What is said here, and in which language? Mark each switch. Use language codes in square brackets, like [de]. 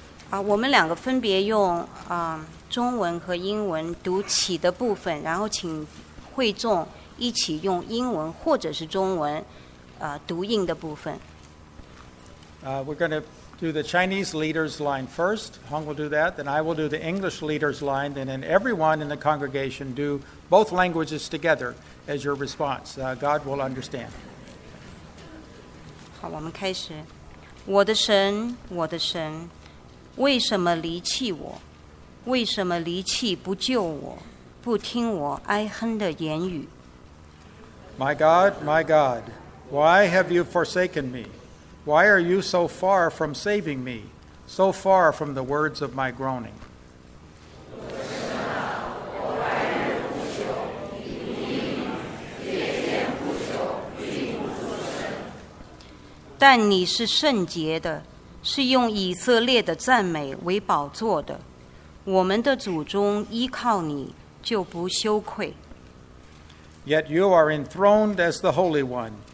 [zh] 我们两个分别用中文和英文读起的部分，然后请会众一起用英文或者是中文读应的部分。 [en] We're going to do the Chinese leader's line first. Hong will do that, then I will do the English leader's line, then everyone in the congregation do both languages together as your response. God will understand. [zh] 好，我们开始。我的神，我的神，为什么离弃我？为什么离弃不救我？不听我哀哼的言语。 [en] My God, my God, why have you forsaken me? Why are you so far from saving me, so far from the words of my groaning? [zh] 我的神啊，我哀怨不休，你听吗？夜间呼求，并不出声。但你是圣洁的，是用以色列的赞美为宝座的，我们的祖宗依靠你就不羞愧。 [en] Yet you are enthroned as the Holy One.